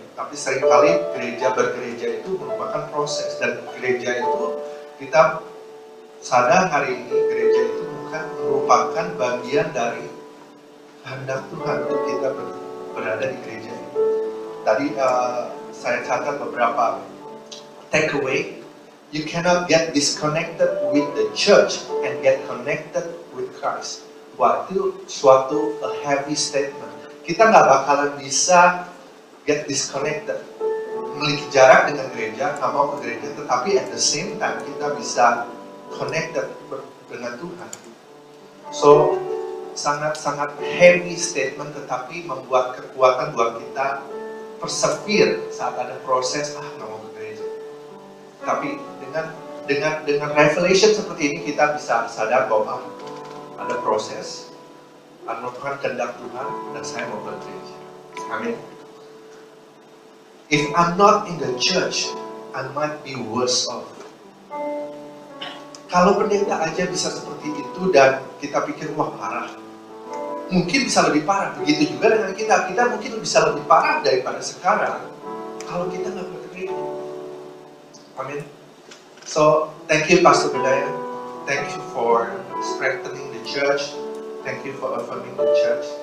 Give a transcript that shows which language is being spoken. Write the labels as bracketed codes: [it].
[id] Tapi seringkali gereja bergereja itu merupakan proses, dan gereja itu kita sadar hari ini gereja itu bukan merupakan bagian dari kehendak Tuhan untuk kita berada di gereja ini. Tadi saya catat beberapa takeaway. [en] You cannot get disconnected with the church and get connected with Christ. [id] Waktu suatu [en] a heavy statement. [id] Kita nggak bakalan bisa [en] get disconnected, [id] memiliki jarak dengan gereja, nggak mau ke gereja, tetapi [en] at the same time [id] kita bisa connected dengan Tuhan. So sangat-sangat [en] heavy statement, [id] tetapi membuat kekuatan buat kita persevere saat ada proses nggak mau ke gereja. Tapi dengan revelation seperti ini kita bisa sadar bahwa ada proses, anugerah kehendak Tuhan, dan saya mau ke gereja. Amin. [en] If I'm not in the church, I might be worse off. [id] Kalau pendeta aja bisa seperti itu dan kita pikir wah parah, mungkin bisa lebih parah. Begitu juga dengan kita mungkin bisa lebih parah daripada sekarang kalau kita nggak berteriak. Amin. [en] So thank you Pastor Bedaya, thank you for strengthening the church, thank you for affirming the church.